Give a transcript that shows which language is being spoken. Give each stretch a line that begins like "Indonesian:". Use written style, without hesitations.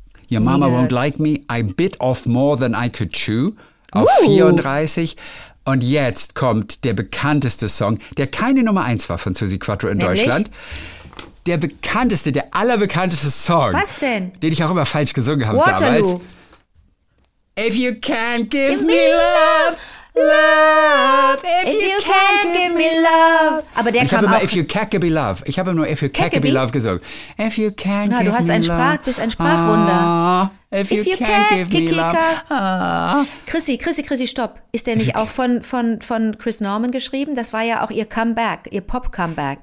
German: Your Mama Won't Like Me, I Bit Off More Than I Could Chew auf 34. Und jetzt kommt der bekannteste Song, der keine Nummer 1 war von Susie Quattro in Deutschland. Der bekannteste, der allerbekannteste Song. Was denn? Den ich auch immer falsch gesungen habe damals.
English: If you can't give me love, if you can't give me love.
German: Aber der kam auch. Ich habe immer
English: if you can't give me love.
German: Ich habe nur
English: if you can't give me love
German: gesungen.
English: If you can't give me love.
German: Du bist ein Sprachwunder.
English: If you can't give me love.
German: Chrissy, stopp. Ist der nicht auch von Chris Norman geschrieben? Das war ja auch ihr Comeback, ihr Pop-Comeback.